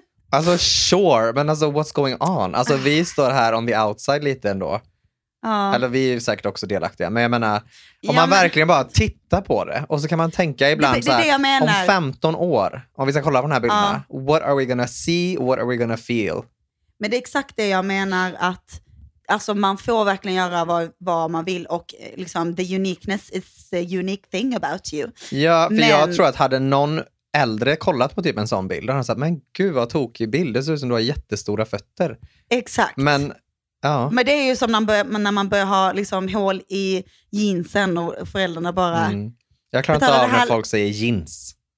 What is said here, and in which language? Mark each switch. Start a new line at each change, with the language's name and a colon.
Swedish: Alltså
English: sure,
Swedish: men alltså
English: what's going on?
Swedish: Alltså vi står här
English: on the outside
Swedish: lite ändå. Ja. Eller vi är ju säkert också delaktiga. Men jag menar, om ja, man verkligen bara tittar på det. Och så kan man tänka ibland det, så här, om 15 år, om vi ska kolla på den här bilden. Ja.
English: What are we gonna see, what are we gonna feel?
Swedish: Men det är exakt det jag menar, att alltså man får verkligen göra vad man vill. Och liksom,
English: the uniqueness is the unique thing about you.
Swedish: Ja, för men... jag tror att hade någon äldre kollat på typ en sån bild, då hade han sagt, men gud vad tokig bild, det ser ut som du har jättestora fötter. Exakt. Men ja. Men det är ju som när man börjar ha liksom hål i jeansen och föräldrarna bara... Mm. Jag klarar inte av när folk säger jeans.